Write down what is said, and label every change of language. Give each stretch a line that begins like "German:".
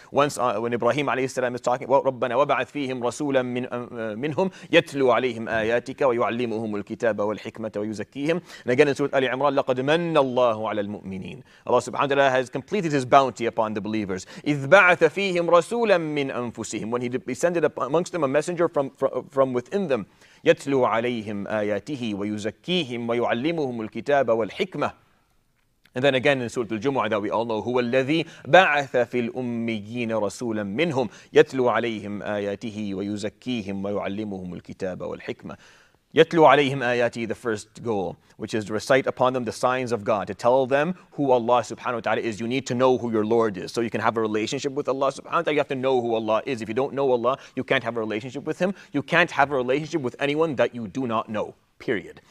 English: Once when Ibrahim alayhi salam is talking, well,
Arabic: رَبَّنَا وَبَعَثْ فِيهِمْ رَسُولًا مِّنْهُمْ يَتْلُوا عَلَيْهِمْ آيَاتِكَ وَيُعَلِّمُهُمُ الْكِتَابَ وَالْحِكْمَةَ وَيُزَكِّيهِمْ.
English: And again in Surah Ali Imran,
Arabic: لَقَدْ مَنَّ اللَّهُ عَلَى الْمُؤْمِنِينَ.
English: Allah subhanahu wa ta'ala has completed His bounty upon the believers.
Arabic: إِذْ بَعَثَ فِيهِمْ رَسُولًا مِّنْ أَنفُسِهِمْ.
English: When He sended amongst them a messenger from within them.
Arabic: يَتْلُوا عَلَيْهِمْ آيَاتِهِ وَيُزَكِّيهِمْ وَيُعَلِّمُهُمُ الْكِتَابَ وَالْحِكْمَةَ.
English: And then again in Surah Al-Jumu'ah that we all know,
Arabic: هُوَ الَّذِي بَعَثَ فِي الْأُمِّيِّينَ رَسُولًا مِّنْهُمْ يَتْلُوا عَلَيْهِمْ آيَاتِهِ وَيُزَكِّيهِمْ وَيُعَلِّمُهُمُ الْكِتَابَ وَالْحِكْمَةِ. يَتْلُوا عَلَيْهِمْ آيَاتِهِ,
English: the first goal, which is to recite upon them the signs of God, to tell them who Allah subhanahu wa ta'ala is. You need to know who your Lord is. So you can have a relationship with Allah subhanahu wa ta'ala, you have to know who Allah is. If you don't know Allah, you can't have a relationship with Him. You can't have a relationship with anyone that you do not know. Period.